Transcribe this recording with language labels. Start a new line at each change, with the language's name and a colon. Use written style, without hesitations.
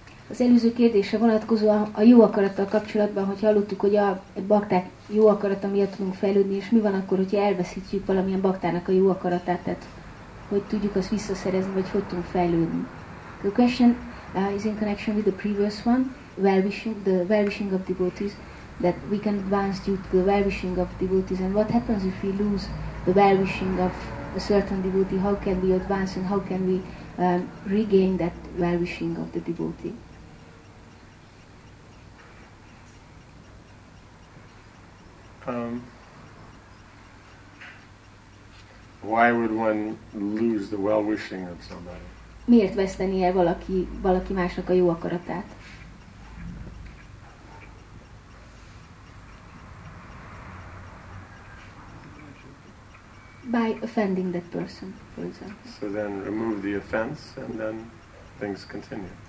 Hungarian: Az előző kérdésre vonatkozóan a jó akarattal kapcsolatban, hogy hallottuk, hogy a bakták jó akarata miatt tudunk fejlődni, és mi van akkor, hogyha elveszítjük valamilyen baktának a jó akaratát, tehát hogy tudjuk azt visszaszerezni, vagy hogy tudunk fejlődni.
English: The question is in connection with the previous one, well-wishing of devotees, that we can advance due to the well-wishing of devotees, and what happens if we lose the well-wishing of a certain devotee, how can we advance and how can we regain that well-wishing of the devotee? Why would one lose the well-wishing of somebody?
Hungarian: Miért veszteni el valaki másnak a jó akaratát?
English: By offending that person, for example. So then remove the offense and then things continue.